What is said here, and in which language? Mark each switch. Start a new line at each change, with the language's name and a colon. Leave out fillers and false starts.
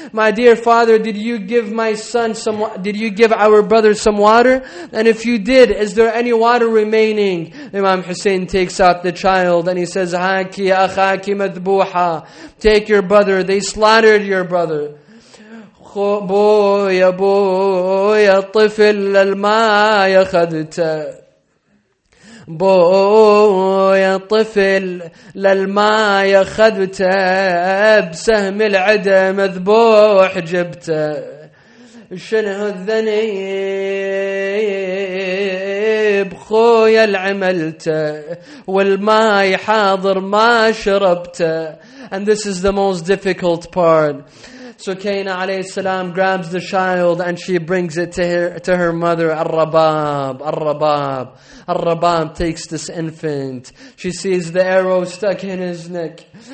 English: My dear father, did you give my son some, did you give our brother some water? And if you did, is there any water remaining? Imam Hussein takes out the child and he says,
Arabic: haki akhaki madbuha.
English: Take your brother, they slaughtered your brother.
Arabic: بويا بويا الطفل الماء يخذت بويا الطفل للماء يخذت بسهم العدى مذبوح جبت شنو الذنب خويا العملت والماء حاضر ما شربت.
English: And this is the most difficult part. So Kaina alayhi salam grabs the child and she brings it to her mother, Ar-Rabab, Ar-Rabab. Ar-Rabab takes this infant. She sees the arrow stuck in his neck.